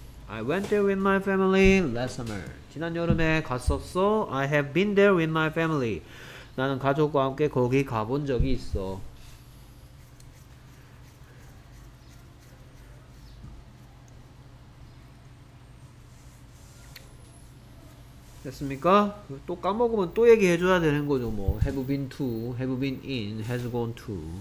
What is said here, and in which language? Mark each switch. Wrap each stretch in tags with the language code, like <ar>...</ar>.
<en>I went there with my family last summer.</en> <ko>지난 여름에 갔었어.</ko> <en>I have been there with my family.</en> <ko>나는 가족과 함께 거기 가본 적이 있어. 됐습니까? 또 까먹으면 또 얘기해 줘야 되는 거죠.</ko> <en>뭐 have been to, have been in, has gone to.</en>